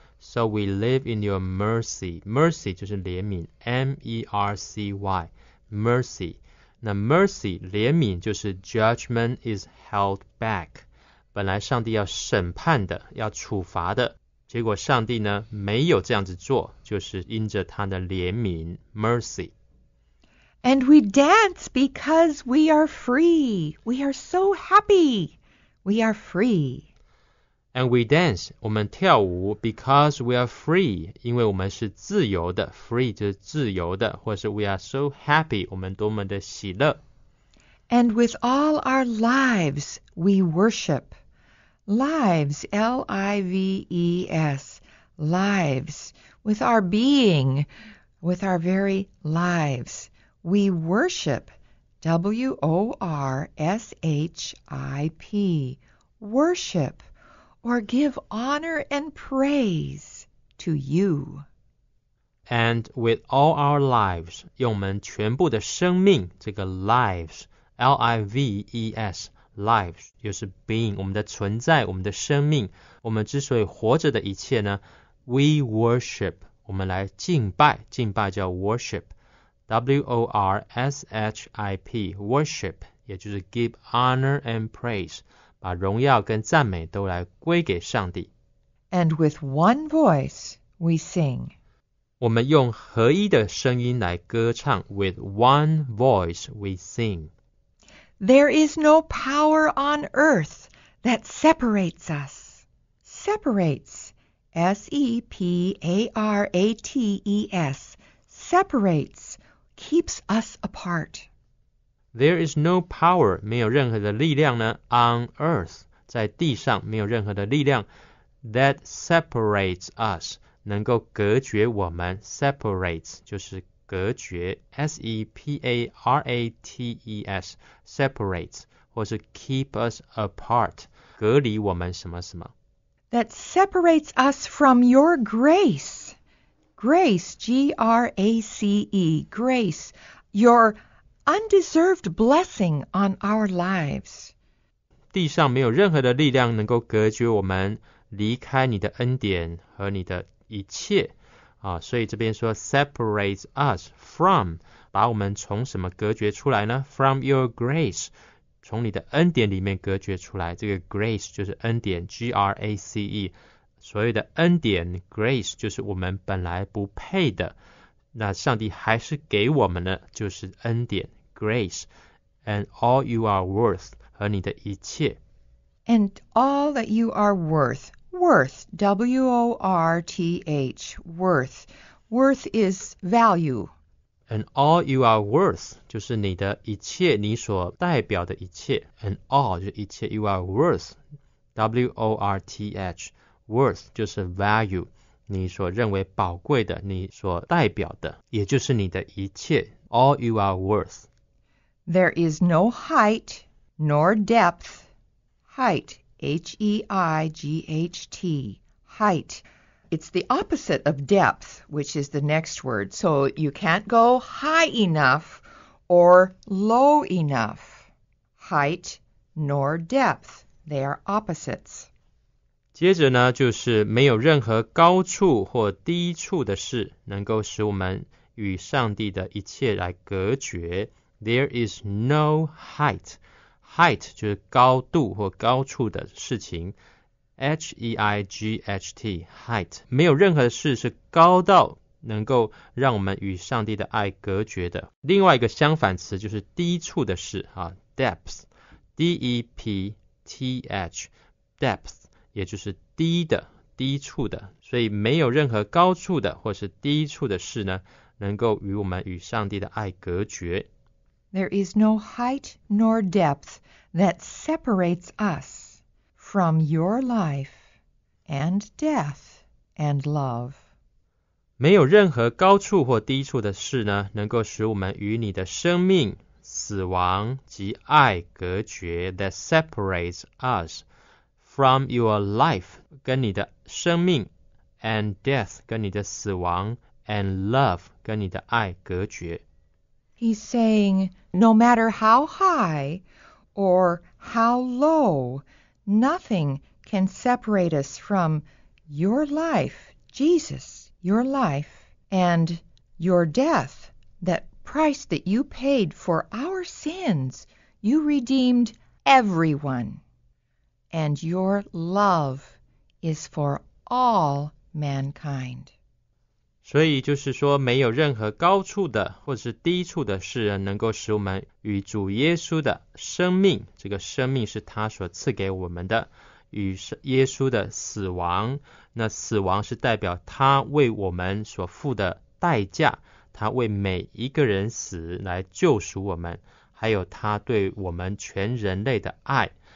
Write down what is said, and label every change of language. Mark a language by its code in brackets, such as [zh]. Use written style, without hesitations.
[en] So we live in your mercy. Mercy [zh] 就是怜悯 [en] ,M-E-R-C-Y, mercy. 那 mercy, [zh] 怜悯就是 [en] judgment is held back. [zh] 本来上帝要审判的，要处罚的，结果上帝呢，没有这样子做，就是因着他的怜悯 ,mercy. [en] And we dance because we are free. We are so happy. We are free. And we dance, [zh] 我们跳舞 [en] because we are free. [zh] 因为我们是自由的 ,free 就是自由的或是 [en] we are so happy, [zh] 我们多么的喜乐。 [en] And with all our lives, we worship. Lives, L-I-V-E-S, lives, with our being, with our very lives. We worship, W-O-R-S-H-I-P, worship, or give honor and praise to you. And with all our lives, [zh] 用我们全部的生命，这个 [en] lives, L-I-V-E-S, lives, [zh] 就是 being, 我们的存在，我们的生命，我们之所以活着的一切呢， [en] we worship, [zh] 我们来敬拜，敬拜叫 worship. [en] W-O-R-S-H-I-P, worship, [zh] 也就是 [en] give honor and praise, [zh] 把荣耀跟赞美都来归给上帝。 [en] And with one voice, we sing. [zh] 我们用合一的声音来歌唱 [en] with one voice, we sing. There is no power on earth that separates us. Separates, S-E-P-A-R-A-T-E-S, separates,keeps us apart. There is no power, [zh] 没有任何的力量呢, on earth, 在地上没有任何的力量, [en] that separates us, [zh] 能够隔绝我们, separates, 就是隔绝, [en] S-E-P-A-R-A-T-E-S, separates, [zh] 或是 [en] keep us apart, [zh] 隔离我们什么什么。 [en] That separates us from your grace. Grace, G-R-A-C-E, grace, your undeserved blessing on our lives. [zh] 地上没有任何的力量能够隔绝我们离开你的恩典和你的一切。啊，所以这边说 [en] separates us from, [zh] 把我们从什么隔绝出来呢? [en] From your grace, [zh] 从你的恩典里面隔绝出来。这个 grace 就是恩典 ,G-R-A-C-E. 所谓的恩典 ,grace, 就是我们本来不配的。那上帝还是给我们的就是恩典 ,grace, [en] and all you are worth, [zh] 和你的一切。 [en] And all that you are worth, worth, W-O-R-T-H, worth, worth is value. And all you are worth, [zh] 就是你的一切你所代表的一切。 And all, 就是一切 [en] you are worth, W-O-R-T-H,Worth [zh] 就是 value, 你所认为宝贵的,你所代表的,也就是你的一切, [en] all you are worth. There is no height nor depth, height, H-E-I-G-H-T, height. It's the opposite of depth, which is the next word, so you can't go high enough or low enough. Height nor depth, they are opposites. [zh] 接着呢就是没有任何高处或低处的事能够使我们与上帝的一切来隔绝。 [en] There is no height. [zh] Height 就是高度或高处的事情。 [en] H-E-I-G-H-T, height. [zh] 没有任何事是高到能够让我们与上帝的爱隔绝的。另外一个相反词就是低处的事啊 ,depth, [en] D-E-P-T-H, depth. [zh] 也就是低的、低处的，所以没有任何高处的或是低处的事呢，能够与我们与上帝的爱隔绝。 [en] There is no height nor depth that separates us from your life and death and love. [zh] 没有任何高处或低处的事呢，能够使我们与你的生命、死亡及爱隔绝 [en] that separates us. From your life, [zh] 跟你的生命, and death, 跟你的死亡, and love, 跟你的爱隔绝。 [en] He's saying no matter how high or how low, nothing can separate us from your life, Jesus, your life, and your death, that price that you paid for our sins. You redeemed everyone, and your love is for all mankind. [zh] 所以就是说，没有任何高处的或是低处的事能够使我们与主耶稣的生命，这个生命是他所赐给我们的，与耶稣的死亡，那死亡是代表他为我们所付的代价，他为每一个人死来救赎我们，还有他对我们全人类的爱。